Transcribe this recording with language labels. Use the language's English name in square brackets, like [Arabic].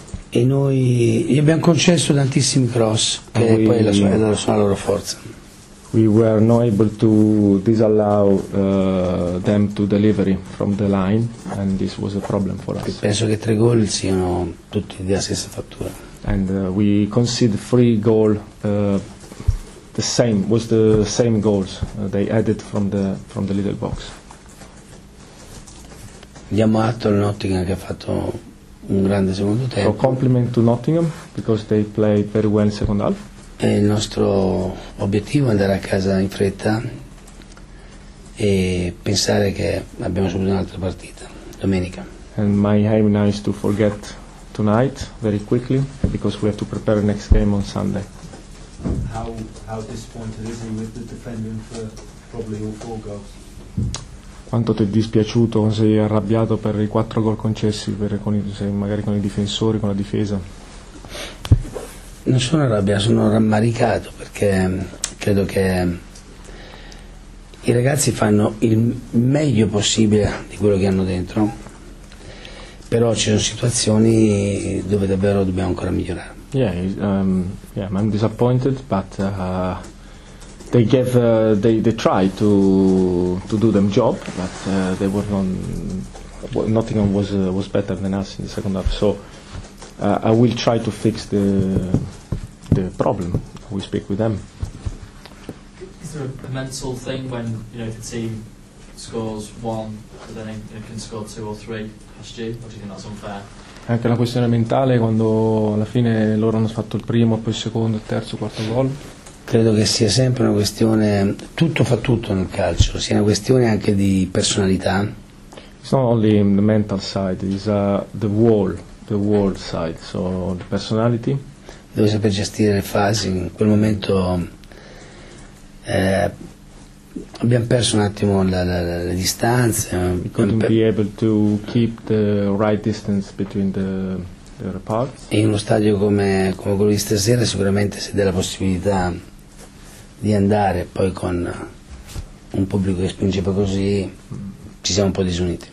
[Italian] E noi gli abbiamo concesso tantissimi cross che poi è la loro forza. [English] We were not able to disallow them to delivery from the line, and this was a problem for us. [Italian] Penso che tre gol siano tutti della stessa fattura. [English] And we conceded three goal. The same was the same goals they added from the little box. [Italian] Diamo atto al Nottingham che ha fatto un grande secondo tempo. [English] So compliment to Nottingham because they played very well in second half. [Italian] E il nostro obiettivo è andare a casa in fretta e pensare che abbiamo subito un'altra partita domenica. [English] And my aim now is to forget tonight very quickly because we have to prepare the next game on Sunday. How disappointed is he with the defending for probably all four goals? [Italian] Quanto ti è dispiaciuto, sei arrabbiato per i 4 gol concessi, magari con i difensori, con la difesa? Non sono arrabbiato, sono rammaricato perché credo che i ragazzi fanno il meglio possibile di quello che hanno dentro, però ci sono situazioni dove davvero dobbiamo ancora migliorare. [English] I'm disappointed, but they tried to do their job, but they were not. Nottingham was better than us in the second half. So I will try to fix the problem. We speak with them. Is there a mental thing when you know the team scores one, but then you can score two or three past you? Or do you think that's unfair? [Italian] Anche la questione mentale quando alla fine loro hanno fatto il primo, poi il secondo, il terzo, il quarto gol. Credo che sia sempre una questione, tutto fa tutto nel calcio, sia una questione anche di personalità. [English] It's not only the mental side, it's the wall side, so the personality. [Italian] Devo saper gestire le fasi, in quel momento abbiamo perso un attimo le distanze. [English] Couldn't be able to keep the right distance between the parts. [Italian] In uno stadio come quello di stasera sicuramente si dà la possibilità di andare, poi con un pubblico che spinge così ci siamo un po' disuniti.